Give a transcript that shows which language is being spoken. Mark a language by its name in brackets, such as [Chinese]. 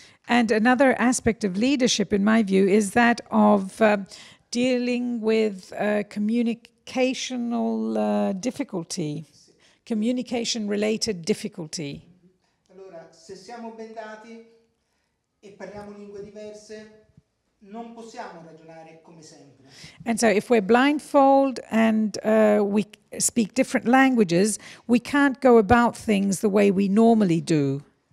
[English] And another aspect of leadership, in my view, is that of dealing with communicational difficulty, communication-related difficulty. [Italian] Allora, se siamo bendati e parliamo lingue diverse, non possiamo ragionare come sempre. [English] And so if we're blindfold and we speak different languages, we can't go about things the way we normally do.